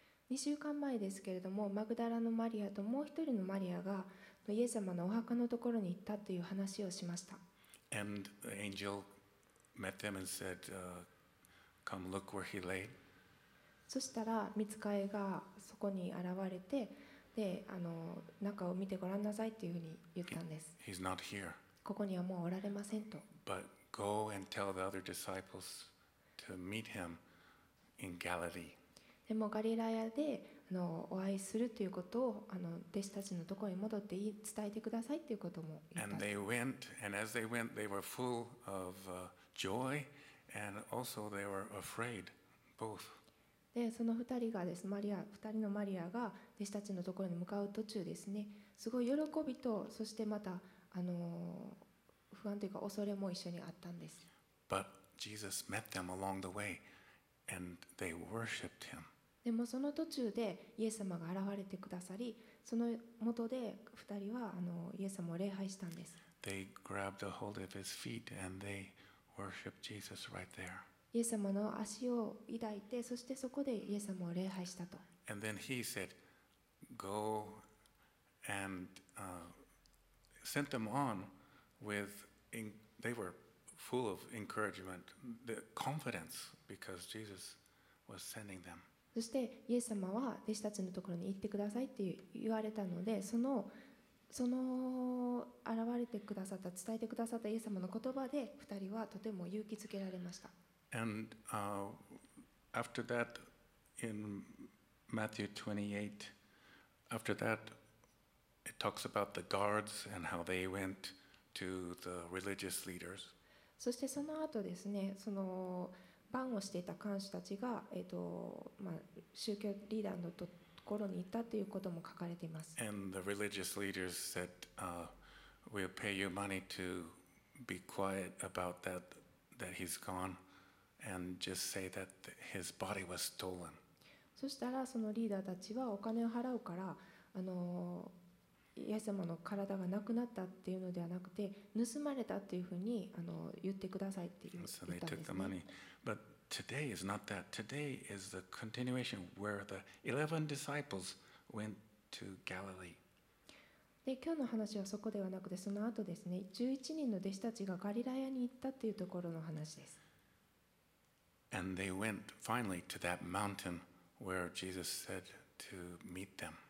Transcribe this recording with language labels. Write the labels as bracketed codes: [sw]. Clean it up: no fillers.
[ja] 2週間前ですけれども、マグダラのマリアともう一人のマリアがイエス様のお墓のところに行ったという話をしました。 [en] And the angel met them and said, come look where he laid. [ja] そしたら、御使いがそこに現れて、で、中を見てごらんなさいというふうに言ったんです。 [en] He's not here. [ja] ここにはもうおられませんと。 [en] But go and tell the other disciples to meet him in Galilee. [ja] でもガリラヤでお会いするということを弟子たちのところに戻って伝えてくださいということも言ったんです。 [en] And they went, and as they went, they were full of joy, and also they were afraid, both. [ja] で、その二人がですね、マリア、二人のマリアが弟子たちのところに向かう途中ですね、すごい喜びと、そしてまた不安というか恐れも一緒にあったんです。 [en] But Jesus met them along the way. And they worshipped him. [ja] でもその途中でイエス様が現れてくださり、その元で二人はイエス様を礼拝したんです。 [en] They grabbed a hold of his feet and they worshipped Jesus right there. [ja] イエス様の足を抱いて、そしてそこでイエス様を礼拝したと。 [en] And then he said, "Go and sent them on with." They were full of encouragement, the confidence. Because Jesus was sending them. [ja] そしてイエス様は弟子たちのところに行ってくださいって言われたので、その現れてくださった、伝えてくださったイエス様の言葉で二人はとても勇気づけられました。 [en] And after that, in Matthew 28, after that, it talks about the guards and how they went to the religious leaders. [ja] そしてその後ですね、その番をしていた看守たちが、宗教リーダーのところに行ったということも書かれています。 [en] And the religious leaders said, we'll pay you money to be quiet about that he's gone, and just say that his body was stolen. [ja] そしたらそのリーダーたちはお金を払うから、イエス様の体がなくなったっていうのではなくて、盗まれたっていうふうに言ってくださいって言ったんですね。 [en] So they took the money. But today is not that. Today is the continuation where the 11 disciples went to Galilee. [ja] で、今日の話はそこではなくて、その後ですね、11人の弟子たちがガリラヤに行ったっていうところの話です。 [en] And they went finally to that mountain where Jesus said to meet them.